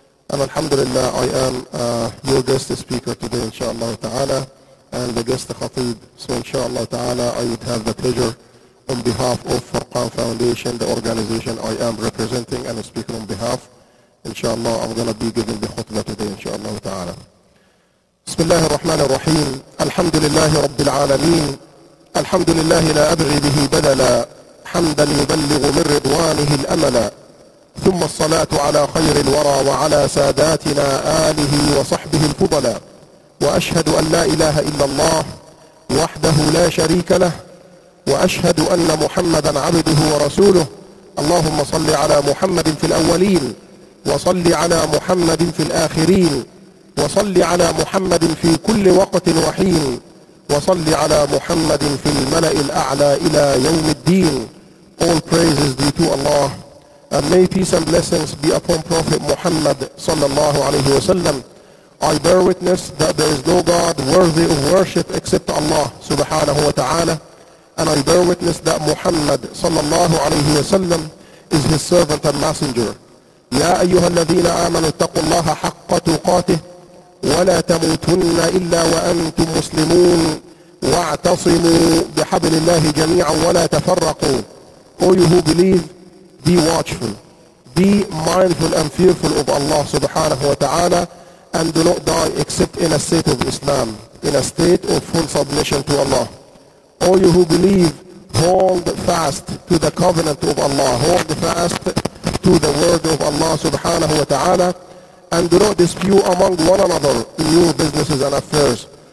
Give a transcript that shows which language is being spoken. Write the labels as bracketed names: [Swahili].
[English] And alhamdulillah, I am your guest speaker today, inshallah ta'ala, and the guest khatib. So inshallah ta'ala, I would have the pleasure on behalf of Furqan Foundation, the organization I am representing and speaking on behalf. Inshallah, I'm going to be giving the khutbah today, inshallah ta'ala. [Arabic] بسم الله الرحمن الرحيم. الحمد لله رب العالمين. الحمد لله لا أبغي به بدلا حمدا يبلغ من رضوانه الأمل. ثم الصلاة على خير الورى وعلى ساداتنا آله وصحبه الفضلا. وأشهد أن لا إله إلا الله وحده لا شريك له، وأشهد أن محمدا عبده ورسوله. اللهم صل على محمد في الأولين، وصل على محمد في الآخرين، وصل على محمد في كل وقت وحين، وصل على محمد في الملأ الأعلى إلى يوم الدين. [English] All praises be to Allah, and may peace and blessings be upon Prophet Muhammad sallallahu alayhi wa sallam. I bear witness that there is no God worthy of worship except Allah subhanahu wa ta'ala, and I bear witness that Muhammad sallallahu alayhi wa sallam is his servant and messenger. [Arabic] يا أيها الذين آمنوا اتقوا الله حق تقاته ولا تموتن إلا وأنتم مسلمون واعتصموا بحبل الله جميعا ولا تفرقوا. [English] O you who believe, be watchful, be mindful and fearful of Allah subhanahu wa ta'ala, and do not die except in a state of Islam, in a state of full submission to Allah. O you who believe, hold fast to the covenant of Allah, hold fast to the word of Allah subhanahu wa ta'ala, and do not dispute among one another in your businesses and affairs.